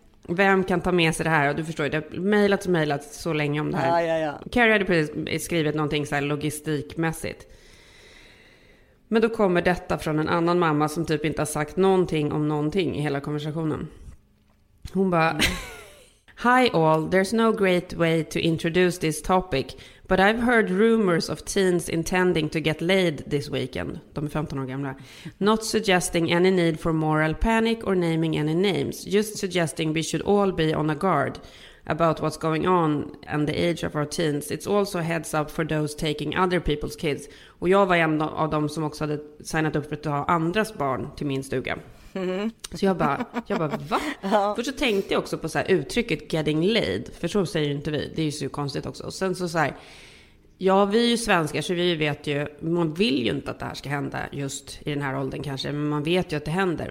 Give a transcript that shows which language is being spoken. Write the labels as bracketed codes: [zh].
[sv] Vem kan ta med sig det här? Och du förstår ju, det har mejlats så länge om det här. Ja. Carrie hade precis skrivit någonting så här logistikmässigt. Men då kommer detta från en annan mamma som typ inte har sagt någonting om någonting i hela konversationen. Hon bara... [en] Hi all, there's no great way to introduce this topic, but I've heard rumors of teens intending to get laid this weekend. [sv] De är 15 år gamla. [en] Not suggesting any need for moral panic or naming any names, just suggesting we should all be on a guard about what's going on and the age of our teens. It's also a heads up for those taking other people's kids. [sv] Och jag var en av dem som också hade signat upp för att ha andras barn till min stuga. Mm. Så jag bara va? Ja. För så tänkte jag också på så här, uttrycket getting laid. För så säger ju inte vi. Det är ju så konstigt också. Och sen så här, ja, vi är ju svenskar så vi vet ju, man vill ju inte att det här ska hända just i den här åldern kanske, men man vet ju att det händer.